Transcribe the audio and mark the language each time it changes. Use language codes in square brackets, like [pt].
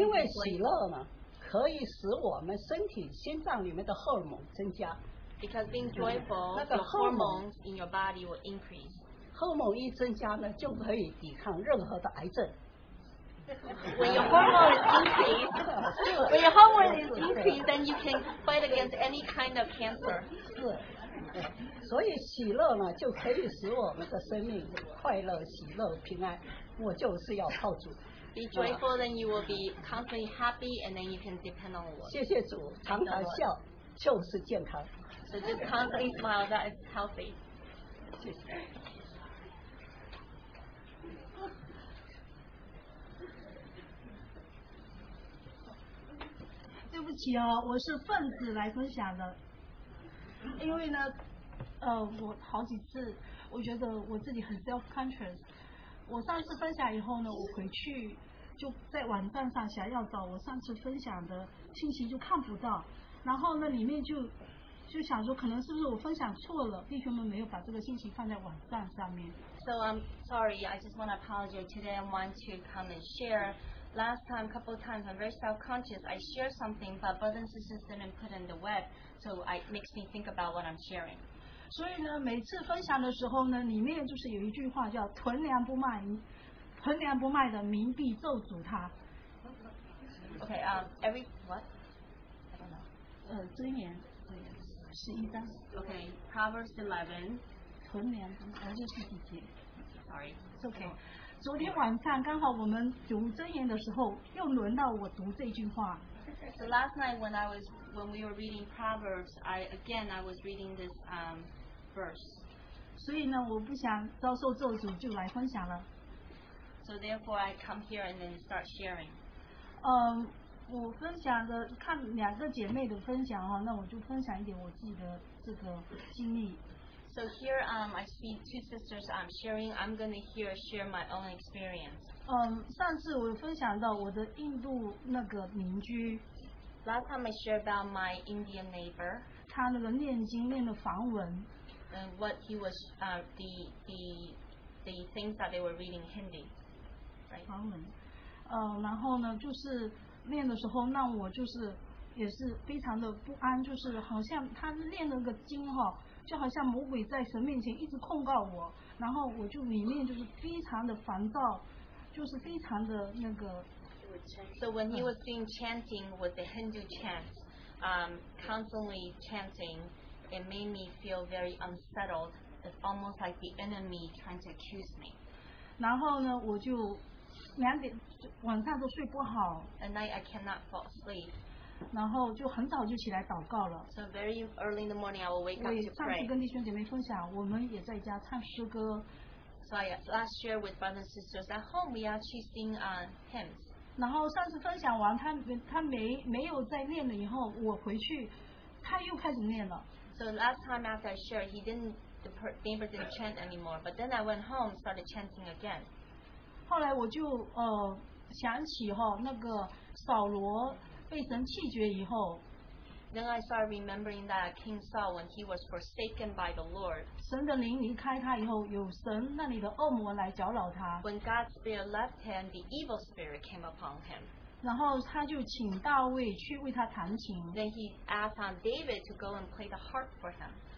[zh] 因为喜乐嘛，可以使我们身体心脏里面的荷尔蒙增加。 [en] Because being joyful, the hormones in your body will increase. [zh] 荷尔蒙一增加呢，就可以抵抗任何的癌症。 [en] When your hormone is increased, when your hormone is increased, then you can fight against any kind of cancer. [zh] 所以喜乐呢，就可以使我们的生命快乐、喜乐、平安。我就是要靠主。 [en] Be joyful, then you will be constantly happy, and then you can depend on the Lord. [zh] 谢谢主，常常笑就是健康。 [en] So just constantly smile, that is healthy. [zh] 对不起哦，我是分子来分享的，因为呢。我好几次我觉得我自己很 self-conscious。我上一次分享以后呢，我回去就在网站上想要找我上次分享的信息，就看不到，然后呢里面就想说可能是不是我分享错了，弟兄们没有把这个信息放在网站上面。 [en] So I'm sorry, I just want to apologize. Today I want to come and share. Last time, couple of times, I'm very self-conscious. I share something, but brothers and sisters didn't put in the web. So it makes me think about what I'm sharing. [zh] 所以呢每次分享的时候呢，里面就是有一句话叫囤粮不卖，囤粮不卖的民必咒诅他。 [en] OK, every what? I don't know. [zh] 尊严 [en] Okay, Proverbs 11. [zh] 屯粮，就是几节。 [en] Sorry, it's okay. [zh] 昨天晚上刚好我们读箴言的时候，又轮到我读这句话。 [en] So last night when we were reading Proverbs, I was reading this verse. [zh] 所以呢，我不想遭受咒诅，就来分享了。 [en] So therefore, I come here and then start sharing. [zh] 我分享的看两个姐妹的分享哈，那我就分享一点我自己的这个经历。 [en] So here, I see two sisters. I'm sharing. I'm gonna here share my own experience. [zh] 上次我分享到我的印度那个邻居。 [en] Last time I shared about my Indian neighbor. [zh] 他那个念经念的梵文。 [en] And what he was, the things that they were reading Hindi. [zh] 梵文。然后呢，就是。练的时候，那我就是也是非常的不安，就是好像他练那个经哈，就好像魔鬼在神面前一直控告我，然后我就里面就是非常的烦躁，就是非常的那个。 [en] So when he was doing chanting with the Hindu chants, constantly chanting, it made me feel very unsettled. It's almost like the enemy trying to accuse me. [zh] 然后呢，我就。两点晚上都睡不好 [en] ，at night I cannot fall asleep， [zh] 然后就很早就起来祷告了。 [en] So very early in the morning I will wake up to pray。 [zh] 我上次跟弟兄姐妹分享，我们也在家唱诗歌。 [en] So I last year with brothers and sisters at home we actually sing hymns。 [zh] 然后上次分享完，他没有再念了，以后我回去，他又开始念了。 [en] So last time after I shared he didn't the neighbor didn't chant anymore， but then I went home started chanting again。 [zh] 后来我就想起哈那个扫罗被神弃绝以后 [en] ，Then I started remembering that King Saul when he was forsaken by the Lord。 [zh] 神的灵离开他以后，有神那里的恶魔来搅扰他。 [en] When God's spirit left him, the evil spirit came upon him。 [zh] 然后他就请大卫去为他弹琴。 [en] Then he asked on David to go and play the harp for him。